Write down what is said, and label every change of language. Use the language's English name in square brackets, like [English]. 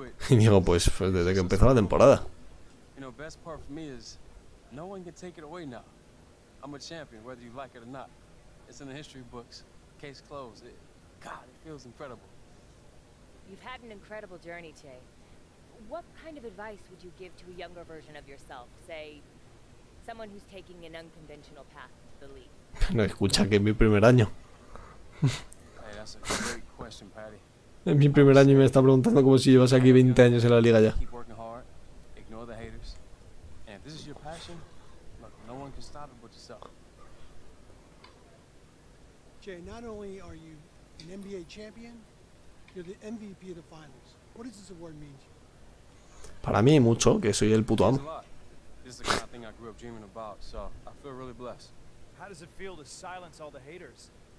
[Spanish] Y digo, pues desde que empezó la temporada. [English] You know, best part for me is no one can take it away now. I'm a champion, whether you like it or not. It's in the history books. Case closed. God, it feels incredible. You've had an incredible journey, Che. What kind of advice would you give to a younger version of yourself? Say, someone who's taking an unconventional path to the league. [Spanish] No, escucha, que es mi primer año. [English] Hey, that's a great question, Patty. [Spanish] Es mi primer año y me está preguntando como si llevase aquí 20 años en la liga ya. [English] Keep working hard, ignore the haters. And if this is your passion, look, no one can stop it but yourself. Jay, not only are you an NBA champion, you're the MVP of the finals. What does this award mean to you? [Spanish] Para mí mucho, que soy el puto amo. [English] This is the kind of thing I grew up dreaming about, so I feel really blessed. How does it feel to silence all the haters?